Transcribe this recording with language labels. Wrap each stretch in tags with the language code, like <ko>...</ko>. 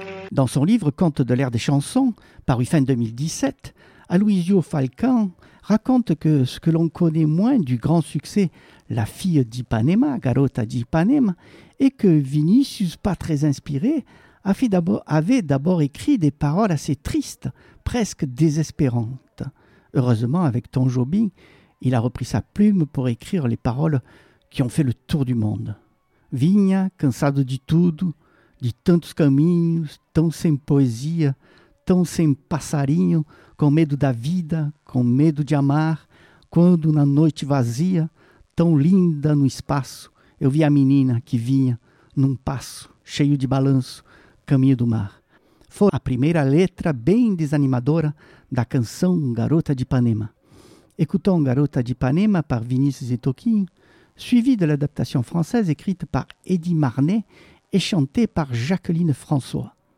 <fr>Dans son livre « Contes de l'ère des chansons », paru fin 2017, Aloysio Falcão raconte que ce que l'on connaît moins du grand succès « La fille d'Ipanema »,« Garota d'Ipanema », est que Vinicius, pas très inspiré, avait d'abord écrit des paroles assez tristes, presque désespérantes. Heureusement, avec Tom Jobim, il a repris sa plume pour écrire les paroles qui ont fait le tour du monde.</fr> <pt>« Vinha, cansado de tudo », de tantos caminhos, tão sem poesia, tão sem passarinho, com medo da vida, com medo de amar, quando na noite vazia, tão linda no espaço, eu vi a menina que vinha num passo cheio de balanço, caminho do mar. Foi a primeira letra bem desanimadora da canção Garota de Ipanema.</pt> <fr>Écoutons Garota de Ipanema par Vinícius e Toquinho, suivi de l'adaptation française écrite par Eddy Marnay et chanté par Jacqueline François.</fr>